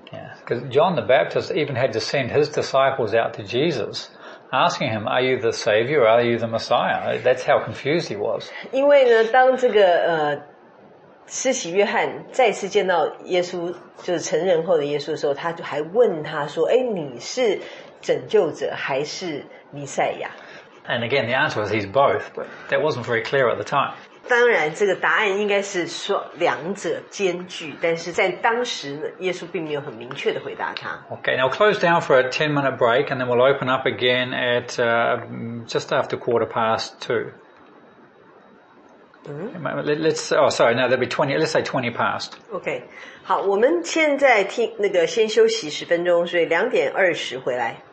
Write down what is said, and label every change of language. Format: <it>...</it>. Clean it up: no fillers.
<en>Yeah, because John the Baptist even had to send his disciples out to Jesus. Asking him, are you the Savior or are you the Messiah? That's how confused he was.</en> <zh>因为呢，当这个施洗约翰再次见到耶稣，就是成人后的耶稣的时候，他就还问他说，哎，你是拯救者还是弥赛亚？</zh> <en>And again, the answer was he's both, but that wasn't very clear at the time.</en> <zh>当然，这个答案应该是说两者兼具，但是在当时耶稣并没有很明确的回答他。</zh> <en>Okay, now close down for a 10-minute break, and then we'll open up again at just after 2:15. Mm-hmm. Let's say 20 past.</en> <zh>Okay, 好，我们现在听那个先休息10分钟，所以2:20回来。</zh>